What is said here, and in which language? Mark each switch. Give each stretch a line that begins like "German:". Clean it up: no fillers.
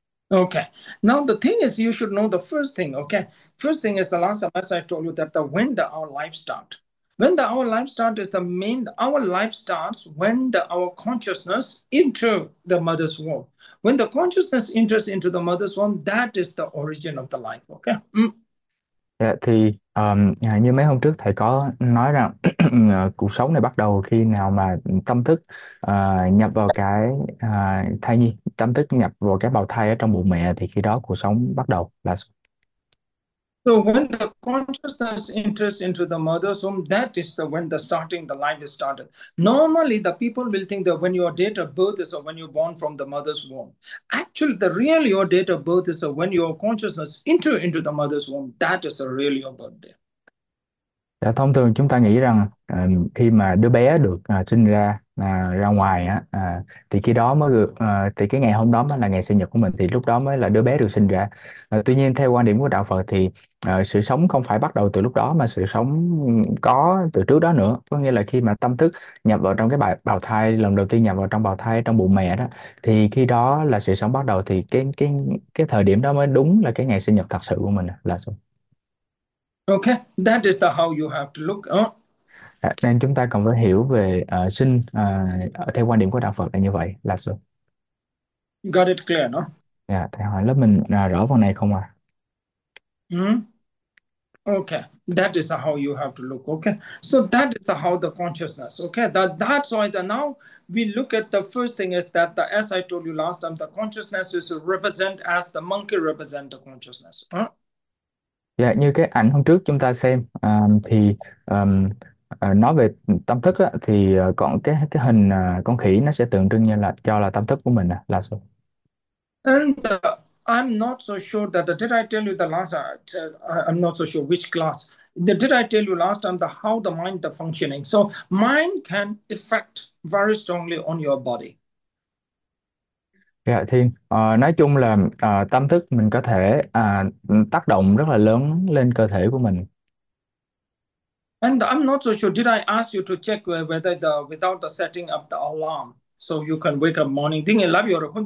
English: Okay, now the thing is, you should know the first thing. Okay, first thing is the last semester I told you that our life starts. When our life starts is the main, our life starts when our consciousness enters the mother's womb. When the consciousness enters into the mother's womb, that is the origin of the life. Okay.
Vietnamese: Dạ, thì như mấy hôm trước thầy có nói rằng cuộc sống này bắt đầu khi nào mà tâm thức nhập vào cái thai nhi, tâm thức nhập vào cái bào thai ở trong bụng mẹ thì khi đó cuộc sống bắt đầu là.
English: So when the consciousness enters into the mother's womb, that is the when the starting the life is started. Normally, the people will think that when your date of birth is or when you're born from the mother's womb. Actually, the real your date of birth is when your consciousness enter into the mother's womb. That is a real your birthday.
Vietnamese: Dạ, thông thường chúng ta nghĩ rằng khi mà đứa bé được sinh ra ra ngoài á thì khi đó mới được thì cái ngày hôm đó mới là ngày sinh nhật của mình thì lúc đó mới là đứa bé được sinh ra. Tuy nhiên theo quan điểm của đạo Phật thì sự sống không phải bắt đầu từ lúc đó mà sự sống có từ trước đó nữa. Có nghĩa là khi mà tâm thức nhập vào trong cái bào thai lần đầu tiên nhập vào trong bào thai trong bụng mẹ đó thì khi đó là sự sống bắt đầu thì cái thời điểm đó mới đúng là cái ngày sinh nhật thật sự của mình là xuống.
English: Okay, that is the how you have to look.
Vietnamese: Nên chúng ta cần phải hiểu về sinh theo quan điểm của đạo Phật là như vậy là sao?
English: You got it clear, no?
Vietnamese: Dạ, thầy hỏi lớp mình rõ phần này không ạ?
English: Okay, that is how you have to look. Okay, so that is how the consciousness. Okay, that's why the now we look at the first thing is that the as I told you last time, the consciousness is represent as the monkey represent the consciousness.
Vietnamese: Dạ, như cái ảnh hôm trước chúng ta xem thì nói về tâm thức á, thì còn cái hình con khỉ nó sẽ tượng trưng như là cho là tâm thức của mình là số.
English: And I'm not so sure that did I tell you the last I'm not so sure which class did I tell you last time the how the mind the functioning. So mind can affect very strongly on your body.
Vietnamese: Dạ, thì nói chung là tâm thức mình có thể tác động rất là lớn lên cơ thể của mình.
English: And I'm not so sure did I ask you to check whether the without the setting up the alarm so you can wake up morning thing I love your